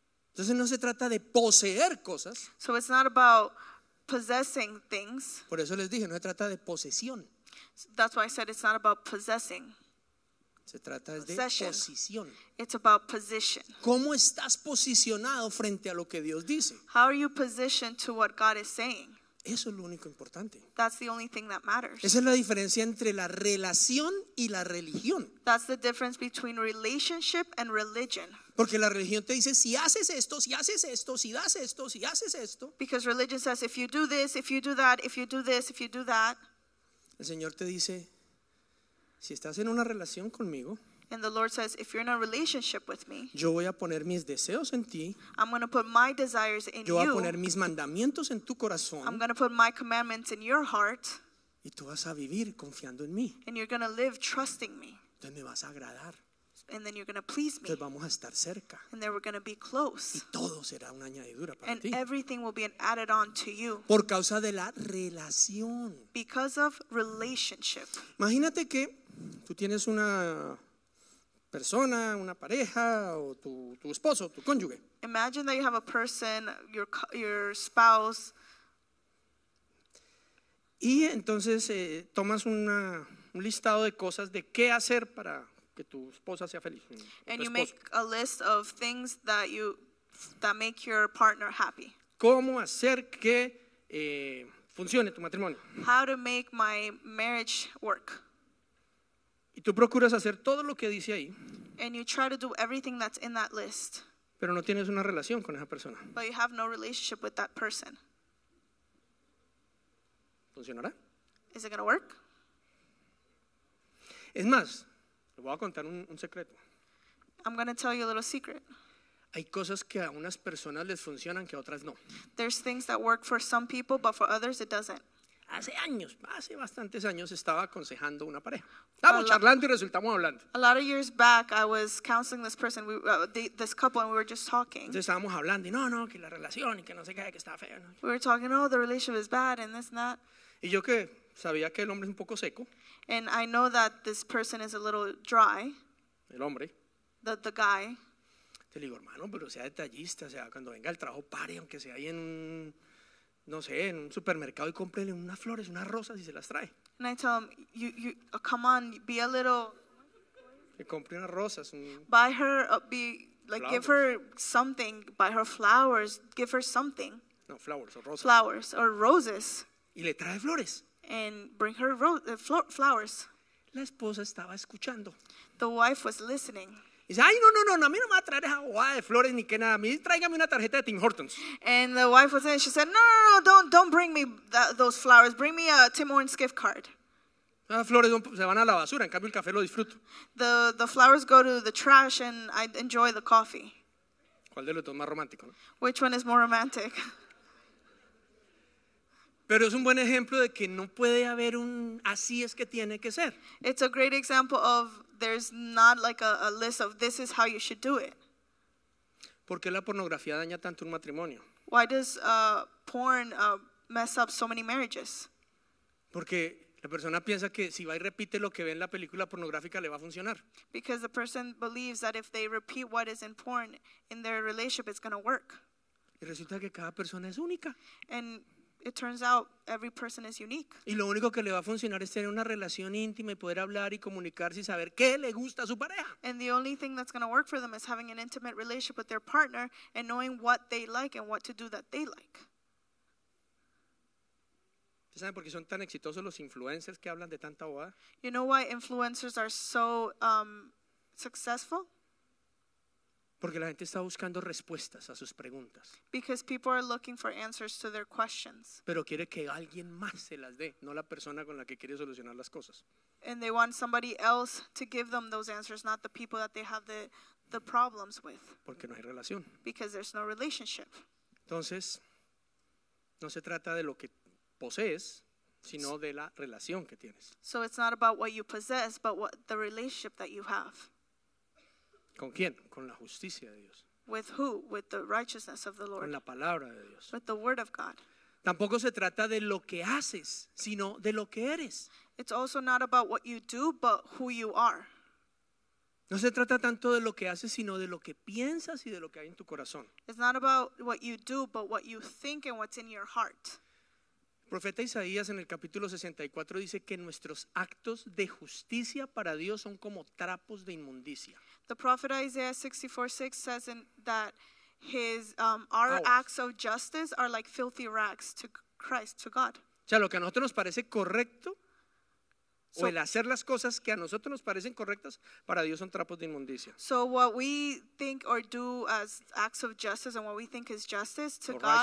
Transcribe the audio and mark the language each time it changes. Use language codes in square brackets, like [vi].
[es] Entonces no se trata de poseer cosas. [en] So it's not about possessing things. [es] Por eso les dije, no se trata de posesión. [en] So that's why I said it's not about possessing. [es] Se trata possession. De posición. [en] It's about position. [es] ¿Cómo estás posicionado frente a lo que Dios dice? [en] How are you positioned to what God is saying? [es] Eso es lo único importante. [en] That's the only thing that matters. [es] Esa es la diferencia entre la relación y la religión. [en] That's the difference between relationship and religion. [es] Porque la religión te dice, si haces esto, si haces esto, si das esto, si haces esto. [en] Because religion says, if you do this, if you do that, if you do this, if you do that. [es] El Señor te dice, si estás en una relación conmigo. [en] And the Lord says, if you're in a relationship with me, [es] yo voy a poner mis deseos en ti, [en] I'm going to put my desires in [es] yo voy [en] you, [es] a poner mis mandamientos en tu corazón, [en] I'm going to put my commandments in your heart, [es] y tú vas a vivir confiando en mí, [en] and you're going to live trusting me. [es] Entonces me vas a agradar. [en] And then you're going to please me. [es] Entonces vamos a estar cerca. [en] And then we're going to be close. [es] Y todo será una añadidura para [en] and [es] ti. [en] Everything will be an added on to you. [es] Por causa de la relación. [en] Because of relationship. [es] Imagínate que tú tienes una persona, una pareja, o tu esposo, tu cónyuge. [en] Imagine that you have a person, your spouse. [es] Y entonces tomas un listado de cosas de qué hacer para que tu esposa sea feliz. [en] And you make a list of things that make your partner happy. [es] ¿Cómo hacer que funcione tu matrimonio? [en] How to make my marriage work. [es] Y tú procuras hacer todo lo que dice ahí. [en] And you try to do everything that's in that list. [es] Pero no tienes una relación con esa persona. [en] But you have no relationship with that person. [es] ¿Funcionará? [en] Is it going to work? [es] Es más, le voy a contar un secreto. [en] I'm going to tell you a little secret. [es] Hay cosas que a unas personas les funcionan que a otras no. [en] There's things that work for some people, but for others it doesn't. [es] Hace años, hace bastantes años, estaba aconsejando una pareja. Estábamos charlando y resultamos hablando. [en] A lot of years back, I was counseling this person, this couple, and we were just talking. [es] Entonces estábamos hablando y no, que la relación y que no sé qué, que estaba feo. ¿No? [en] We were talking, the relationship is bad and this and that. [es] Y yo que sabía que el hombre es un poco seco. [en] And I know that this person is a little dry. [es] El hombre. [en] The guy. [es] Te digo, hermano, pero sea detallista, o sea, cuando venga el trabajo, pare, aunque sea ahí en en un supermercado y cómprele unas flores, unas rosas y se las trae. [en] And I tell him, you come on, be a little. [es] Que compre unas rosas. [en] Buy her, be like, flowers. Give her something. Buy her flowers. Give her something. No, flowers or roses. Flowers or roses. [es] Y le trae flores. [en] And bring her flowers. [es] La esposa estaba escuchando. [en] The wife was listening. [es] Y dice, ay, no, a mí no me va a traer esa guada de flores ni que nada. A mí tráigame una tarjeta de Tim Hortons. [en] And the wife was saying, she said, no, don't bring me those flowers. Bring me a Tim Hortons gift card. [es] Las flores se van a la basura, en cambio el café lo disfruto. [en] The flowers go to the trash and I enjoy the coffee. [es] ¿Cuál de los dos más romántico? [en] Which one is more romantic? [es] Pero es un buen ejemplo de que no puede haber un así es que tiene que ser. [en] It's a great example of there's not like a list of this is how you should do it. [es] ¿Por qué la pornografía daña tanto un matrimonio? [en] Why does porn mess up so many marriages? [es] Porque la persona piensa que si va y repite lo que ve en la película pornográfica le va a funcionar. [en] Because the person believes that if they repeat what is in porn in their relationship, it's going to work. [es] Y resulta que cada persona es única. [en] And it turns out every person is unique. [es] Y lo único que le va a funcionar es tener una relación íntima y poder hablar y comunicarse y saber qué le gusta a su pareja. [en] And the only thing that's going to work for them is having an intimate relationship with their partner and knowing what they like and what to do that they like. [es] ¿Saben por qué son tan exitosos los influencers que hablan de tanta bobada? [en] You know why influencers are so successful? [es] Porque la gente está buscando respuestas a sus preguntas. [en] Because people are looking for answers to their questions. [es] Pero quiere que alguien más se las dé, no la persona con la que quiere solucionar las cosas. [en] And they want somebody else to give them those answers, not the people that they have the problems with. [es] Porque no hay relación. [en] Because there's no relationship. [es] Entonces, no se trata de lo que posees, sino de la relación que tienes. [en] So it's not about what you possess, but what the relationship that you have. [es] ¿Con quién? Con la justicia de Dios. [en] With who? With the righteousness of the Lord. [es] Con la palabra de Dios. [en] With the word of God. [es] Tampoco se trata de lo que haces, sino de lo que eres. [en] It's also not about what you do, but who you are. [es] No se trata tanto de lo que haces, sino de lo que piensas y de lo que hay en tu corazón. [en] It's not about what you do, but what you think and what's in your heart. [es] El profeta Isaías en el capítulo 64 dice que nuestros actos de justicia para Dios son como trapos de inmundicia. [en] The prophet Isaiah 64:6 says that our acts of justice are like filthy rags to Christ, to God. [es] O sea, lo que a nosotros nos parece correcto, o el hacer las cosas que a nosotros nos parecen correctas, para Dios son trapos de inmundicia. [en] So what we think or do as acts of justice and what we think is justice to